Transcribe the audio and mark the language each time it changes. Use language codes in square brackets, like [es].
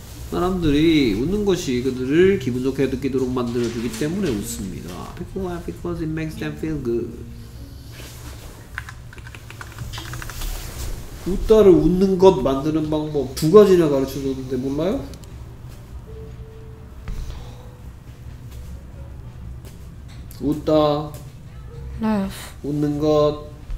[ko] 사람들이 웃는 것이 그들을 기분 좋게 느끼도록 만들어주기 때문에 웃습니다. [en] People laugh because it makes them feel good. [ko] 웃다를 웃는 것 만드는 방법 두 가지나 가르쳐줬는데 몰라요? 웃다 [en] laugh [ko] 웃는 것